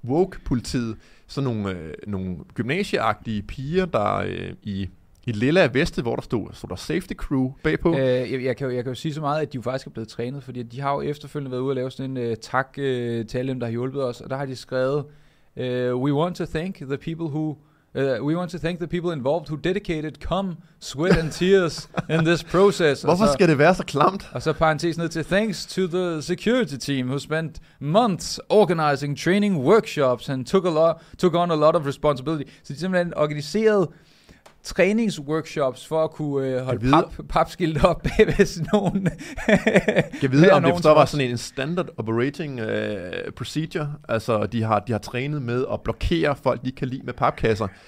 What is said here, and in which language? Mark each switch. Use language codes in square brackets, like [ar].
[da] Woke-politiet, sådan nogle gymnasieagtige piger, der i lille af veste, hvor der stod safety crew bagpå. Jeg kan jo sige så meget, at de jo faktisk er blevet trænet, fordi de har jo efterfølgende været ude og lave sådan en tak til alle dem, der har hjulpet os, og der har de skrevet, [en] we want to thank the people who... We want to thank the people involved who dedicated cum, sweat and tears in this process. [da] Hvorfor skal det være så klamt? Og så parentes ned til [en] thanks to the security team who spent months organizing training workshops and took on a lot of responsibility. [da] Så de simpelthen organiserede træningsworkshops for at kunne holde papskilt op bagved sådan nogen. Kan vide, om det så var sådan en standard operating procedure. Altså, de har trænet med at blokere folk, de kan lide med papkasser.